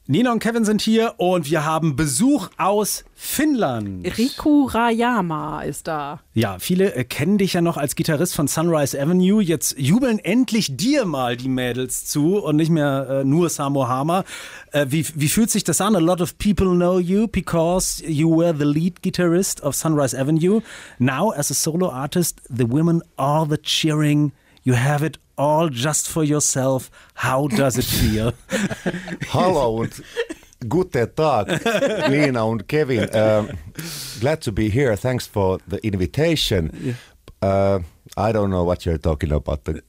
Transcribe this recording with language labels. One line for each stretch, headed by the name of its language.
German: Nina und Kevin sind hier und wir haben Besuch aus Finnland. Riku Rajama ist da. Ja, viele kennen dich ja noch als Gitarrist von Sunrise Avenue. Jetzt jubeln endlich dir mal die Mädels zu und nicht mehr nur Samu Hama. Wie fühlt sich das an?
English: A lot of people know you because you were the lead guitarist of Sunrise Avenue. Now as a solo artist, the women are the cheering. You have it all just for yourself. How does it feel?
German: Hallo und guten Tag, Nina und Kevin.
English: Glad to be here. Thanks for the invitation. I don't know what you're talking about.